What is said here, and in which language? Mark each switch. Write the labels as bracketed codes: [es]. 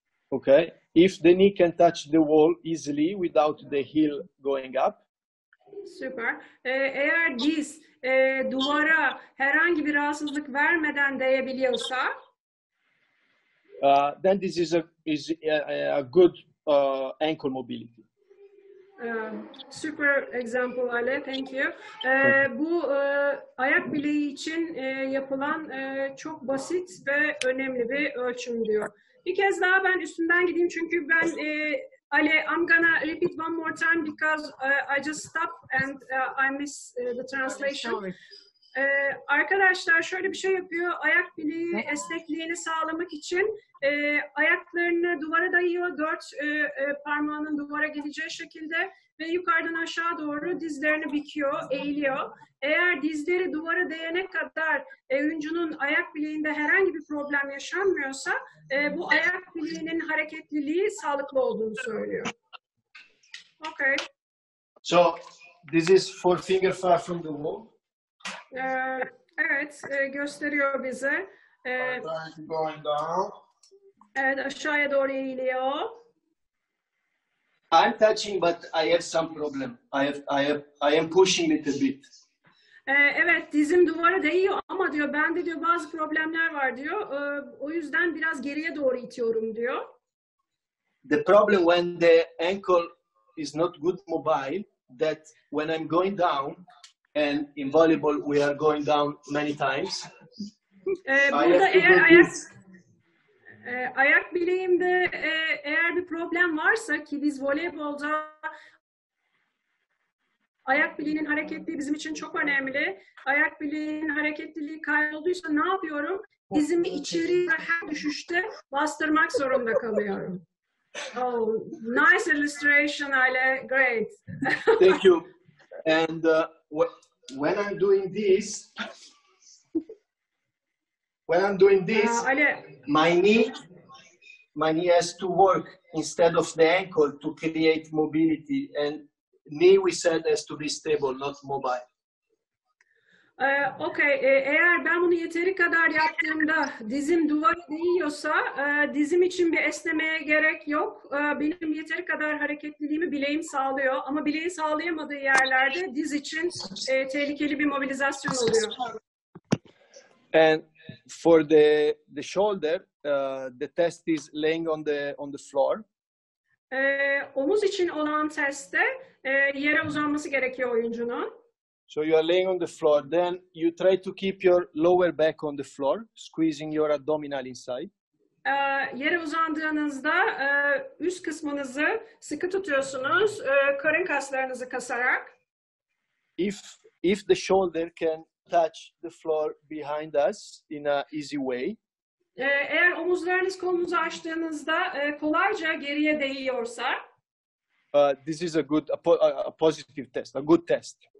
[en] Okay, if the knee can touch the wall easily without the heel going up. [tr] Süper. Eğer diz duvara herhangi bir rahatsızlık vermeden değebiliyorsa. [en] Then this is a good ankle mobility. Super example Ale, thank you. [tr] Bu ayak bileği için yapılan çok basit ve önemli bir ölçüm diyor. Bir kez daha ben üstünden gideyim çünkü ben [en] Ale, I'm gonna repeat one more time because I just stop and I miss the translation. [tr] Arkadaşlar şöyle bir şey yapıyor, ayak bileği esnekliğini sağlamak için ayaklarını duvara dayıyor, 4 parmağının duvara gideceği şekilde ve yukarıdan aşağı doğru dizlerini büküyor, eğiliyor. Eğer dizleri duvara değene kadar oyuncunun ayak bileğinde herhangi bir problem yaşanmıyorsa bu ayak bileğinin hareketliliği sağlıklı olduğunu söylüyor. Okay. [en] So This is four finger far from the wall. [tr] Evet, gösteriyor bize. [en] Going down. [tr] Evet, aşağıya doğru eğiliyor. [en] I'm touching, but I have some problem. I am pushing it a bit. [tr] Evet, dizim duvara değiyor ama diyor, bende diyor bazı problemler var diyor. O yüzden biraz geriye doğru itiyorum diyor. [en] The problem when the ankle is not good mobile, that when I'm going down, and in volleyball we are going down many times. [tr] Burada eğer ayak bileğimde eğer bir problem varsa, ki biz voleybolda ayak bileğinin hareketliliği bizim için çok önemli. Ayak bileğinin hareketliliği kaybolduysa ne yapıyorum? Dizimi içeriye her düşüşte bastırmak zorunda kalıyorum. [en] Oh, nice illustration, Ale. Great. Thank you. And when I'm doing this, my knee has to work instead of the ankle to create mobility. And knee, we said, has to be stable, not mobile. [tr] Okay, eğer ben bunu yeteri kadar yaptığımda dizim duvara değiyorsa, dizim için bir esnemeye gerek yok. Benim yeteri kadar hareketliliğimi bileğim sağlıyor. Ama bileği sağlayamadığı yerlerde diz için tehlikeli bir mobilizasyon oluyor. [en] And for the shoulder, the test is laying on the floor. [tr] Omuz için olan testte yere uzanması gerekiyor oyuncunun. [en] So you are laying on the floor, then you try to keep your lower back on the floor, squeezing your abdominal inside. [tr] Yere uzandığınızda üst kısmınızı sıkı tutuyorsunuz, karın kaslarınızı kasarak. [en] If the shoulder can touch the floor behind us in a easy way. [tr] Eğer omuzlarınız kolunuzu açtığınızda kolayca geriye değiyorsa. [en] This is a positive test, a good test.